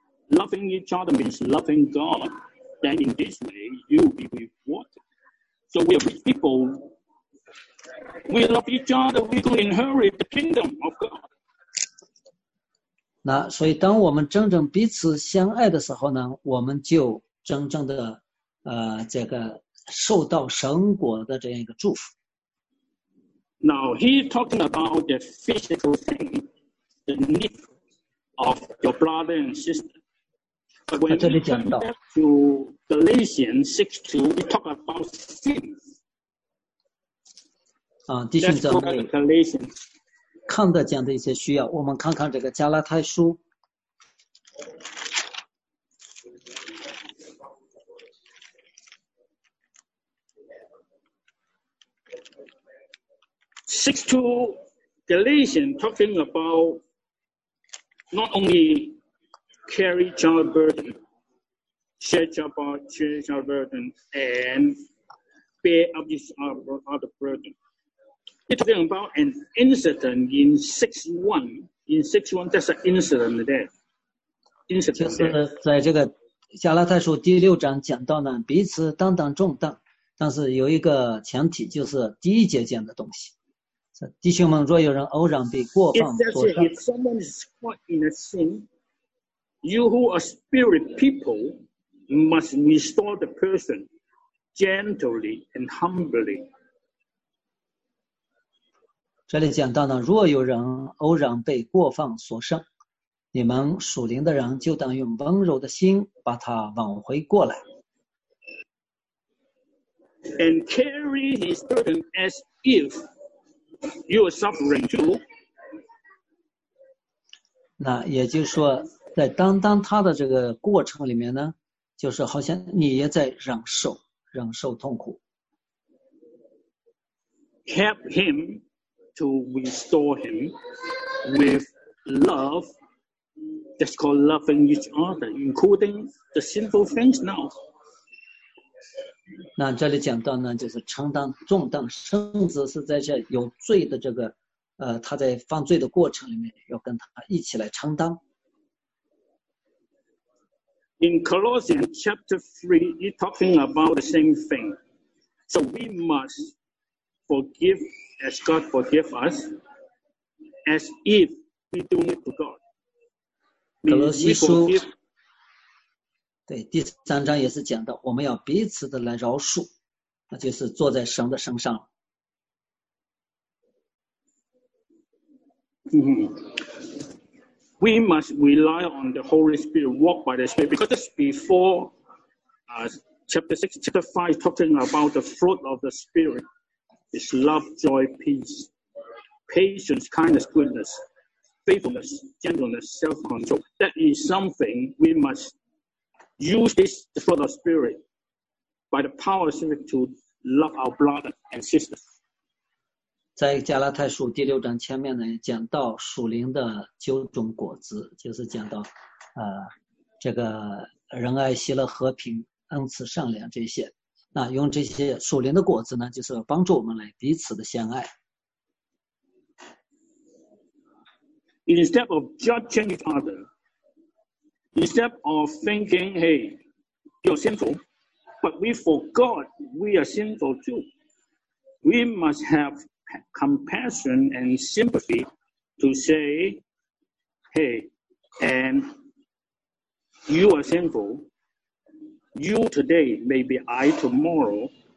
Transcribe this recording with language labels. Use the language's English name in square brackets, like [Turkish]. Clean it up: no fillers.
[English] Loving each other means loving God. Then in this way, you will be rewarded. So we are rich people. We love each other. We will inherit the kingdom of God. [Chinese] 那所以当我们真正彼此相爱的时候呢，我们就真正的这个受到神国的这样一个祝福。 [English] Now he's talking about the physical thing, the need of your brother and sister. But when he comes back to Galatians 6:2, he talks about sin. [Chinese] 啊，弟兄姊妹。 [English] Galatians. [Chinese] 看得见的一些需要，我们看看这个加拉太书。 [English] 6:2 Galatians talking about not only carry child burden, share child burden, and bear up this other burden. He's talking about an incident in 6:1. In 6:1, that's an incident there. Incident there. [Chinese] 就是在这个加拉太书第六章讲到呢，彼此担当重担，但是有一个前提，就是第一节讲的东西。弟兄们，若有人偶然被过放所伤， [English] if someone is caught in a sin, you who are spirit people must restore the person gently and humbly. [Chinese] 这里讲到呢，若有人偶然被过放所伤，你们属灵的人就当用温柔的心把他挽回过来。 [English] And carry his burden as if. You are suffering too. [Chinese] 那也就是说，在担当他的这个过程里面呢，就是好像你也在忍受痛苦。 [English] Help him to restore him with love. That's called loving each other, including the sinful things now. [Chinese] 那这里讲到呢，就是承担重担，甚至是在这有罪的这个他在犯罪的过程里面要跟他一起来承担。 [English] In Colossians chapter 3, he's talking about the same thing. So we must forgive as God forgive us, as if we do it to God. [Chinese] 格罗西书对第三章也是讲到，我们要彼此的来饶恕，那就是坐在神的身上了。 [English] We must rely on the Holy Spirit, walk by the Spirit, because this before, chapter 6, chapter 5, talking about the fruit of the Spirit is love, joy, peace, patience, kindness, goodness, faithfulness, gentleness, self-control. That is something we must. Use this fruit of spirit by the power of spirit to love our brother and sister. [Chinese] 在加拉太书第六章前面呢，讲到属灵的九种果子，就是讲到这个仁爱、喜乐、和平、恩慈、善良这些。那用这些属灵的果子呢，就是帮助我们来彼此的相爱。 [English] Instead of judging each other. Instead of thinking, hey, you're sinful, but we forgot we are sinful too. We must have compassion and sympathy to say, hey, and you are sinful. You today, maybe I tomorrow,